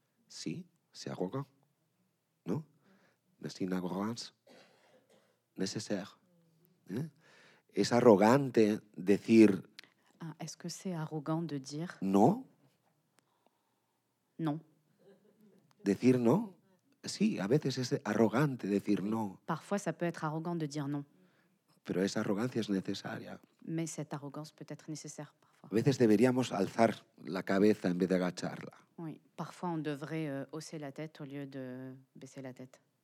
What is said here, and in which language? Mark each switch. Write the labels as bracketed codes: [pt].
[fr] Sí, c'est arrogant, ¿no? C'est une arrogance nécessaire. [es] ¿Es arrogante decir? [fr] Est-ce que c'est arrogant de dire? Non. Non. [es] Decir non? Sí, a veces es arrogante decir non. [fr] Parfois, ça peut être arrogant de dire non. [es] Pero esa arrogancia es necesaria. [fr] Mais cette arrogance peut être nécessaire. [es] A veces deberíamos alzar la cabeza en vez de agacharla. [fr] Oui, parfois on devrait hausser la tête au lieu de baisser la tête.